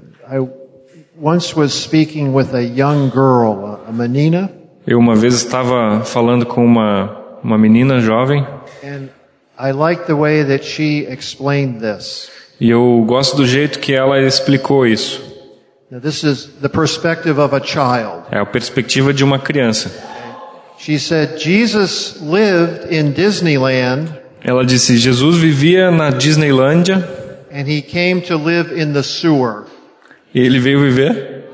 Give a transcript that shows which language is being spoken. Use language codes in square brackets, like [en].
[en] I once was speaking with a young girl, [pt] a menina. Eu uma vez estava falando com uma menina jovem. [en] And I liked the way that she explained this. [pt] E eu gosto do jeito que ela explicou isso. [en] Now this is the perspective of a child. [pt] É a perspectiva de uma criança. [en] She said Jesus lived in Disneyland. [pt] Ela disse Jesus vivia na Disneylândia. [en] And he came to live in the sewer. [pt] E ele veio viver?